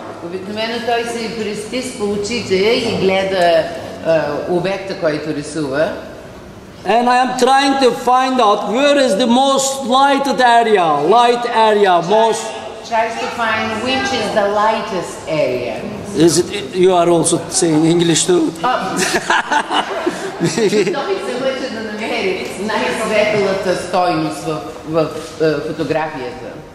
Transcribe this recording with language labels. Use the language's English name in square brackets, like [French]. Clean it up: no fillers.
[Bulgarian] Обикновено той се пристисква очите и гледа обекта, който рисува. [English] And I am trying to find out where is the most lighted area, light area, most... Tries to find which is the lightest area. Is it, you are also saying English too? [Bulgarian] Той се мъча да намери най-светлата стойност в фотографията.